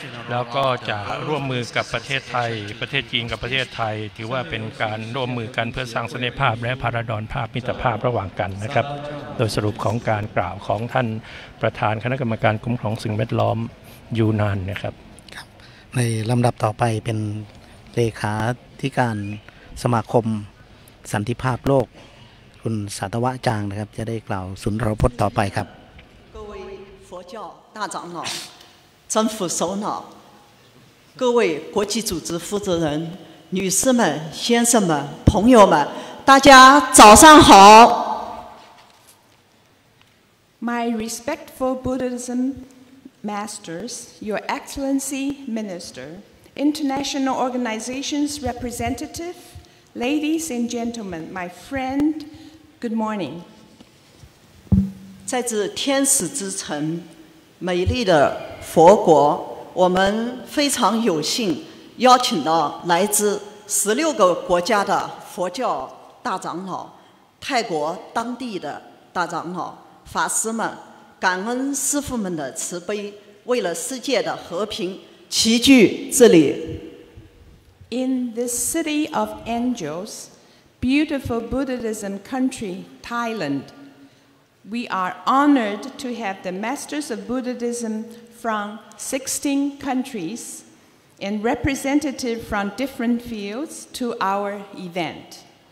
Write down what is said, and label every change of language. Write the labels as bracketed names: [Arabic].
[Thai] แล้วก็จะร่วมมือกับประเทศไทยประเทศจีนกับประเทศไทยถือว่าเป็นการร่วมมือกันเพื่อสร้างเสน่ห์ภาพและพาราดอนภาพมิตรภาพระหว่างกันนะครับโดยสรุปของการกล่าวของท่านประธานคณะกรรมการคุ้มครองสิ่งแวดล้อมยูนานนะครับ ครับในลำดับต่อไปเป็นเลขาธิการสมาคมสันติภาพโลกคุณสาธวะจางนะครับจะได้กล่าวสุนทรพจน์ต่อไปครับ [Chinese] 各位佛教大长老政府首脑各位国际组织负责人女士们、先生们、朋友们，大家早上好。 [English] My respectful Buddhism masters, Your Excellency Minister, International Organizations Representative, Ladies and Gentlemen, my friend, good morning. [Chinese] 在这天使之城，美丽的佛国，我们非常有幸邀请到来自十六个国家的佛教大长老，泰国当地的大长老、法师们，感恩师父们的慈悲，为了世界的和平，齐聚这里。 [English] In the city of angels, beautiful Buddhism country Thailand, we are honored to have the masters of Buddhism from 16 countries. And representative from different fields to our event.